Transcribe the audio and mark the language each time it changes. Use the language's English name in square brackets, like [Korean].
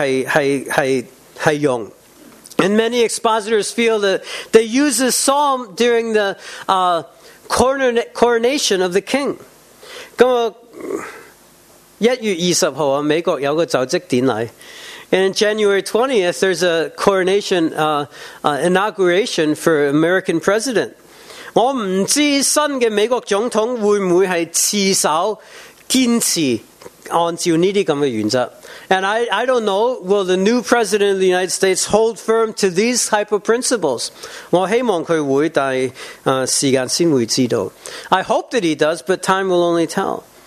[Chinese] 大部分觉得这个诗篇就是皇帝的就职典礼的时候会用。 [English] And many expositors feel that they use this psalm during the coronation of the king. [Chinese] 1月20号, 美国有个就职典礼。 [English] And January 20th, there's a coronation, inauguration for American president. [Chinese] 我不知道新的美国总统会不会是持守坚持按照这些原则。 [English] And I don't know, will the new president of the United States hold firm to these type of principles? [Chinese] 我希望他会,但时间才会知道。 [English] I hope that he does, but time will only tell.